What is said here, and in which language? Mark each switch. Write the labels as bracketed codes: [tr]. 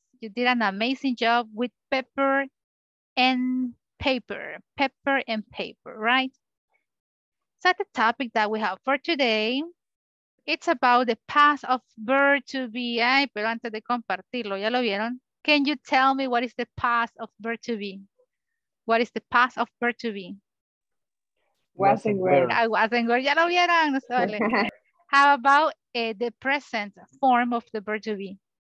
[en] You did an amazing job with pepper and paper. Pepper and paper, right? So the topic that we have for today, it's about the past of verb to be. [es] Ay, pero antes de compartirlo, ¿ya lo vieron? [en] Can you tell me what is the past of verb to be? What is the past of verb to be? Was and were. [es] Ya lo vieron. [en] How about the present form of the verb to be?